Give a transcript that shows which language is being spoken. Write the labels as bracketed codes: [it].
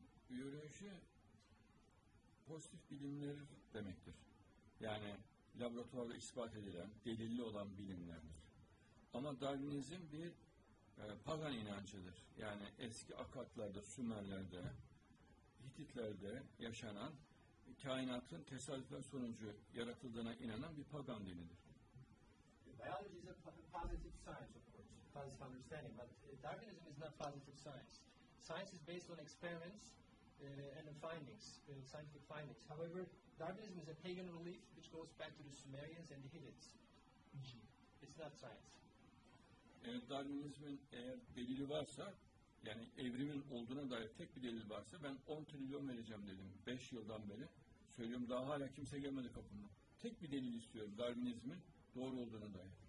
[tr] Biyoloji pozitif bilimler demektir. Yani laboratuvarda ispat edilen, delilli olan bilimlerdir. Ama Darwinizm bir pagan inancıdır. Yani eski Akatlarda, Sümerlerde, Hititlerde yaşanan kainatın tesadüfen sonucu yaratıldığına inanan bir pagan dinidir. [en] Biology is a positive science, of course, positive understanding, but Darwinism is not positive science. Science is based on experiments and the findings, scientific findings. However, Darwinism is a pagan belief which goes back to the Sumerians and the Hittites. It's not science. [tr] Evet, Darwinizmin eğer delili varsa, yani evrimin olduğuna dair tek bir delil varsa, ben 10 trilyon vereceğim dedim 5 yıldan beri. Söylüyorum, daha hala kimse gelmedi kapımda. Tek bir delil istiyorum Darwinizmin doğru olduğuna dair.